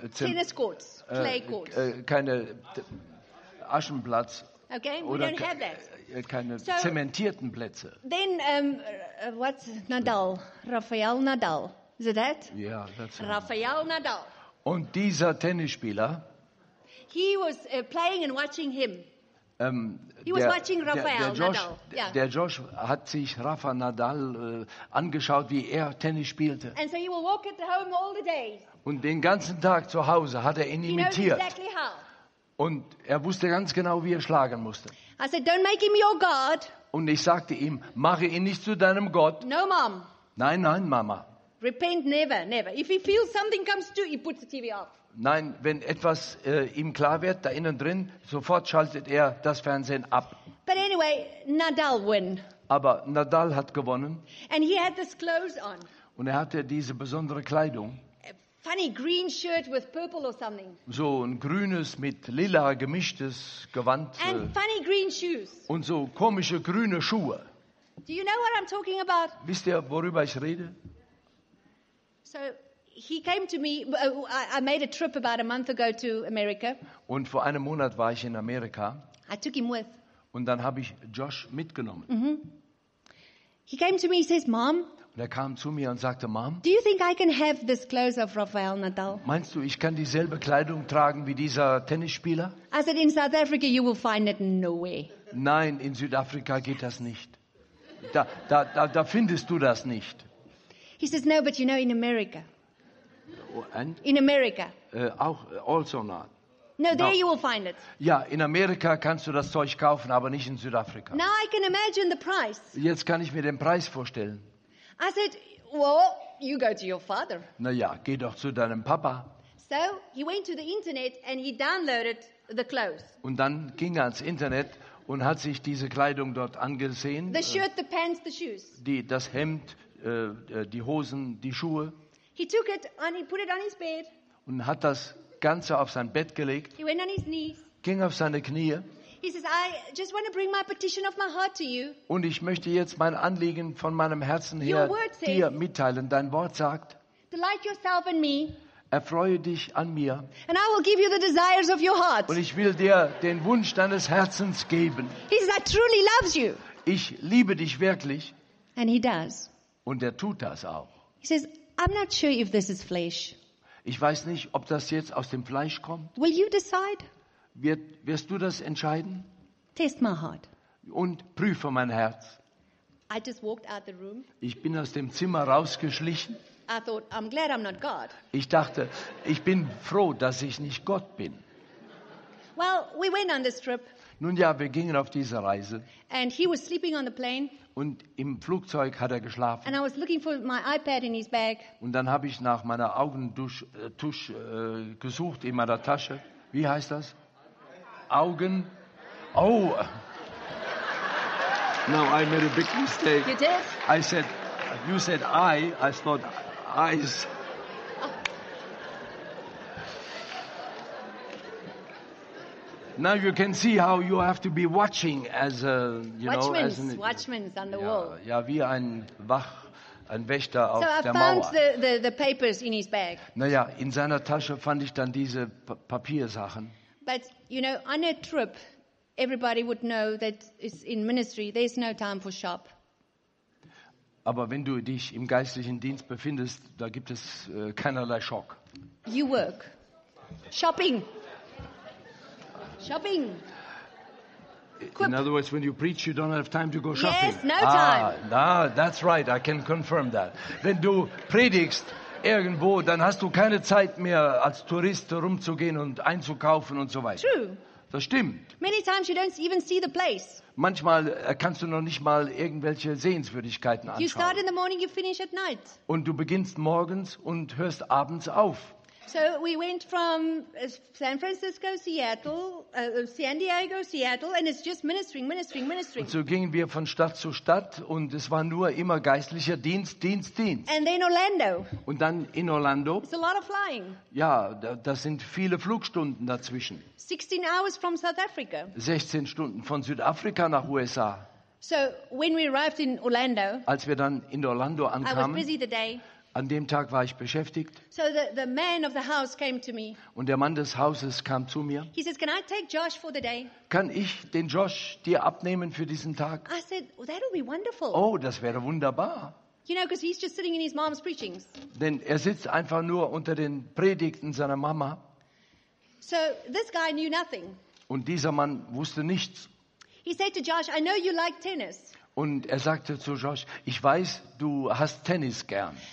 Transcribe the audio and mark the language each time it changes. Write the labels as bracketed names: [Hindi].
[English] Tennis courts, clay courts. [German] Keine Aschenplatz. [English] Okay, we [German] oder [English] don't have that. [German] Keine so, zementierten Plätze. [English] Then what's Nadal? Rafael Nadal. Is it that? Yeah, that's right. Rafael Nadal. [German] Und dieser Tennisspieler. [English] He was playing and watching him. Watching Rafael Nadal. [German] Der Josh hat sich Rafa Nadal angeschaut, wie er Tennis spielte. [English] And so he will walk at the home all the day. [German] Und den ganzen Tag zu Hause hat er ihn [English] he [German] imitiert. [English] Knows exactly how. [German] Und er wusste ganz genau, wie er schlagen musste. [English] I said, don't make him your God. [German] Und ich sagte ihm, mache ihn nicht zu deinem Gott. [English] No, Mom. [German] Nein, Mama. [English] Repent never. If he feels something comes to, he puts the TV off. [German] Nein, wenn etwas ihm klar wird, da innen drin, sofort schaltet er das Fernsehen ab. [English] But anyway, Nadal won. [German] Aber Nadal hat gewonnen. [English] And he had this clothes on. [German] Und er hatte diese besondere Kleidung. [English] Funny green shirt with purple or something. [German] So ein grünes mit lila gemischtes Gewand. [English] And funny green shoes. [German] Und so komische grüne Schuhe. [English] Do you know what I'm talking about? [German] Wisst ihr, worüber ich rede? [English] So he came to me. I made a trip about a month ago to America. [German] Und vor einem Monat war ich in Amerika. [English] I took him with. [German] Und dann habe ich Josh mitgenommen. [English] Mm-hmm. He came to me. He says, "Mom." [German] Und er kam zu mir und sagte, Mom, [English] do you think I can have this clothes of Rafael Nadal? [German] Meinst du, ich kann dieselbe Kleidung tragen wie dieser Tennisspieler? [English] I said, in South Africa you will find it nowhere. [German] Nein, in Südafrika geht das nicht. Da findest du das nicht. [English] He says, no, but you know, in America. And? In America. [German] Auch, also not. [English] No, there no. You will find it. [German] Ja, in Amerika kannst du das Zeug kaufen, aber nicht in Südafrika. [English] Now I can imagine the price. [German] Jetzt kann ich mir den Preis vorstellen. [English] I said, well, you go to your father. [German] Na ja, geh doch zu deinem Papa. [English] So he went to the internet and he downloaded the clothes. [German] Und dann ging er ins Internet und hat sich diese Kleidung dort angesehen. [English] The shirt, the pants, the shoes. [German] Das Hemd, die Hosen, die Schuhe. [English] He took it and he put it on his bed. [German] Und hat das Ganze auf sein Bett gelegt. [English] He went on his knees. [German] Ging auf seine Knie. [English] He says, I just want to bring my petition of my heart to you. [German] Und ich möchte jetzt mein Anliegen von meinem Herzen her dir mitteilen. Dein Wort sagt, [English] delight yourself in me. [German] Erfreue dich an mir. [English] And I will give you the desires of your heart. [German] Und ich will dir den Wunsch deines Herzens geben. [English] He says, I truly loves you. [German] Ich liebe dich wirklich. [English] And he does. [German] Und er tut das auch. [English] He says, I'm not sure if this is flesh. [German] Ich weiß nicht, ob das jetzt aus dem Fleisch kommt. [English] Will you decide? [German] Wirst du das entscheiden? [English] Test my heart. [German] Und prüfe mein Herz. [English] I just walked out the room. [German] Ich bin aus dem Zimmer rausgeschlichen. [English] I thought, I'm glad I'm not God. [German] Ich dachte, ich bin froh, dass ich nicht Gott bin. [English] Well, we went on this trip. [German] Nun ja, wir gingen auf diese Reise. [English] And he was sleeping on the plane. [German] Und im Flugzeug hat er geschlafen. [English] And I was looking for my iPad in his bag. [German] Und dann habe ich nach meiner Augentusch gesucht in meiner Tasche. Wie heißt das? Augen. Oh. [English] Now I made a big mistake. You did? I said, you said I thought eyes. Now you can see how you have to be watching as a, you watchmen, know, as an, watchmen on the [German] ja, [English] wall. [German] Ja, wie ein Wach, ein Wächter so auf [English] I [German] der [English] found [German] Mauer. [English] The papers in his bag. [German] Naja, in seiner Tasche fand ich dann diese Papiersachen. [English] But you know, on a trip, everybody would know that it's in ministry. There's no time for shop. [German] Aber wenn du dich im geistlichen Dienst befindest, da gibt es keinerlei Schock. [English] You work, shopping. Shopping. In other words, when you preach, you don't have time to go shopping. Yes, no time. Ah, that's right. I can confirm that. [German] Wenn du predigst irgendwo, dann hast du keine Zeit mehr, als Tourist rumzugehen und einzukaufen und so weiter. [English] True. [German] Das stimmt. [English] Many times you don't even see the place. [German] Manchmal kannst du noch nicht mal irgendwelche Sehenswürdigkeiten anschauen. [English] You start in the morning, you finish at night. [German] Und du beginnst morgens und hörst abends auf. [English] So we went from San Francisco, Seattle, San Diego, Seattle, and it's just ministering. [German] Und so gingen wir von Stadt zu Stadt und es war nur immer geistlicher Dienst. [English] And then Orlando. [German] Und dann in Orlando. [English] It's a lot of flying. [German] Ja, da sind viele Flugstunden dazwischen. [English] 16 hours from South Africa. [German] 16 Stunden von Südafrika nach USA. [English] So when we arrived in Orlando. [German] Als wir dann in Orlando ankamen. [English] I was busy the day. [German] An dem Tag war ich beschäftigt. [English] So the man of the house came to me. [German] Und der Mann des Hauses kam zu mir. [English] He says, "Can I take Josh for the day?" [German] Kann ich den Josh dir abnehmen für diesen Tag? [English] I said, "Oh, that'll be wonderful." [German] Oh, das wäre wunderbar. [English] You know, because he's just sitting in his mom's preachings. [German] Denn er sitzt einfach nur unter den Predigten seiner Mama. [English] So this guy knew nothing. [German] Und dieser Mann wusste nichts. [English] He said to Josh, "I know you like tennis." [German] Und er sagte zu Josh, ich weiß, du hast Tennis gern.